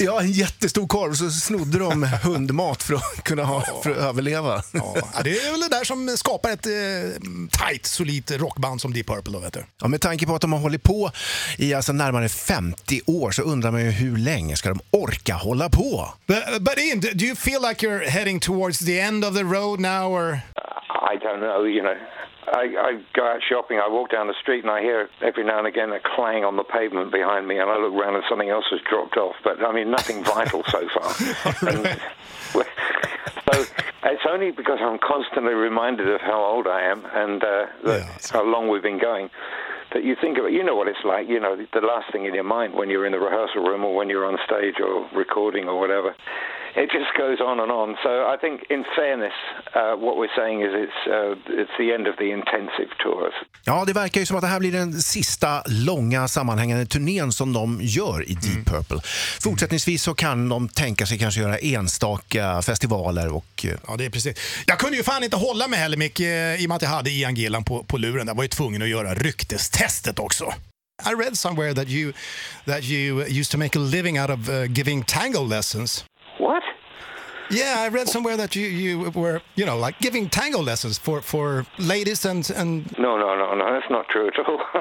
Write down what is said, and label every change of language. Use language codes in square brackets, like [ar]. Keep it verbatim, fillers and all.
[sv] Ja, en jättestor korv, så snodde de hundmat för att kunna ha ja. för att överleva. Ja. Ja, det är väl det där som skapar ett eh, tight, solitt rockband som Deep Purple då, vet du. Ja, med tanke på att de har hållit på i alltså närmare femtio år så undrar man ju hur länge ska de orka hålla på. [en] But, but in, do you feel like you're heading towards the end of the road now, or I don't know, you know. I, I go out shopping, I walk down the street and I hear every now and again a clang on the pavement behind me and I look around and something else has dropped off, but I mean nothing vital so far. And, so it's only because I'm constantly reminded of how old I am and uh, the, yeah, how long we've been going. That you think about, you know what it's like, you know, the last thing in your mind when you're in the rehearsal room or when you're on stage or recording or whatever. It just goes on and on. So I think, in fairness, uh, what we're saying is it's, uh, it's the end of the intensive tours. [sv] Ja, det verkar ju som att det här blir den sista långa sammanhängande turnén som de gör i Deep Purple. Mm. Fortsättningsvis så kan de tänka sig kanske göra enstaka festivaler och... Uh... Ja, det är precis. Jag kunde ju fan inte hålla med heller, Mick, i och med att jag hade Ian Gillan på, på luren. Jag var ju tvungen att göra ryktestestet också. [en] I read somewhere that you, that you used to make a living out of uh, giving tango lessons. What? Yeah, I read somewhere that you, you were, you know, like giving tango lessons for, for ladies and, and... No, no, no, no, that's not true at all.